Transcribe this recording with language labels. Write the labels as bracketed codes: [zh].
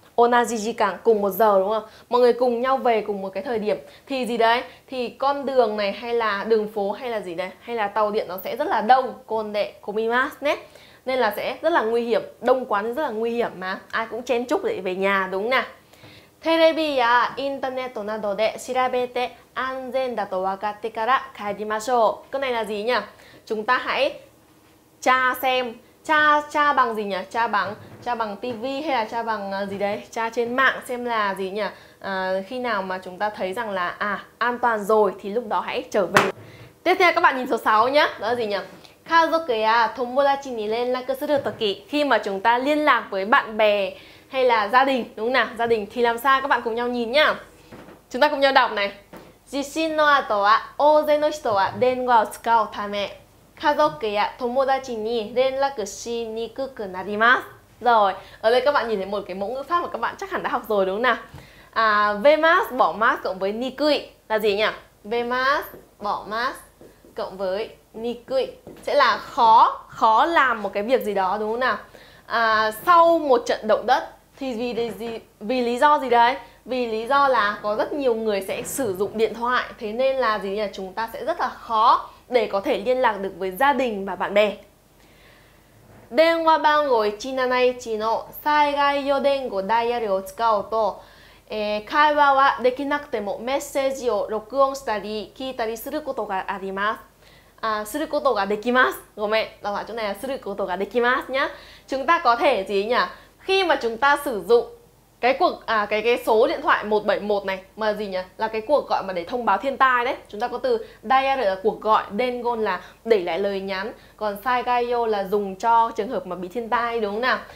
[vi] Onajiji càng cùng một giờ đúng không? Mọi người cùng nhau về cùng một cái thời điểm thì gì đấy? Thì con đường này hay là đường phố hay là gì đấy? Hay là tàu điện nó sẽ rất là đông, [ja] konde komimasu ne. [vi] Nên là sẽ rất là nguy hiểm, đông quá rất là nguy hiểm mà ai cũng chen chúc để về nhà đúng không nào? [ja] テレビやインターネットなどで調べて安全だと分かってから帰りましょう。 [vi] Câu này là gì nhỉ? Chúng ta hãy tra xem, tra bằng gì nhỉ? Tra bằng TV hay là tra bằng gì đấy? Tra trên mạng xem là gì nhỉ? Khi nào mà chúng ta thấy rằng là an toàn rồi thì lúc đó hãy trở về. Tiếp theo các bạn nhìn số 6 nhé. Đó là gì nhỉ? [ja] 家族や友達に連絡するとき, [vi] khi mà chúng ta liên lạc với bạn bè hay là gia đình, đúng không nào? Gia đình thì làm sao? Các bạn cùng nhau nhìn nhá. Chúng ta cùng nhau đọc này. [ja] 地震の後は大勢の人は電話を使うため家族や友達に連絡しにくくなります。 [vi] Rồi, ở đây các bạn nhìn thấy một cái mẫu ngữ pháp mà các bạn chắc hẳn đã học rồi đúng không nào? Vemas bỏ mas cộng với nikui là gì nhỉ? Vemas bỏ mas cộng với nikui sẽ là khó làm một cái việc gì đó đúng không nào? Sau một trận động đất thì vì lý do gì đấy? Vì lý do là có rất nhiều người sẽ sử dụng điện thoại, thế nên là gì nhỉ? Chúng ta sẽ rất là khó để có thể liên lạc được với gia đình và bạn bè. [ja] 電話番号171の災害用電話ダイヤルを使うと、会話はできなくてもメッセージを録音したり聞いたりすることがあります。することができます。ごめん、だからちょっとね、することができますね。 [vi] chúng ta có thể gì nhỉ? Khi mà chúng ta sử dụng cái số điện thoại 171 này mà gì nhỉ? Là cái cuộc gọi mà để thông báo thiên tai đấy. Chúng ta có từ dial là cuộc gọi, dengon là để lại lời nhắn, còn saigayo là dùng cho trường hợp mà bị thiên tai đúng không nào?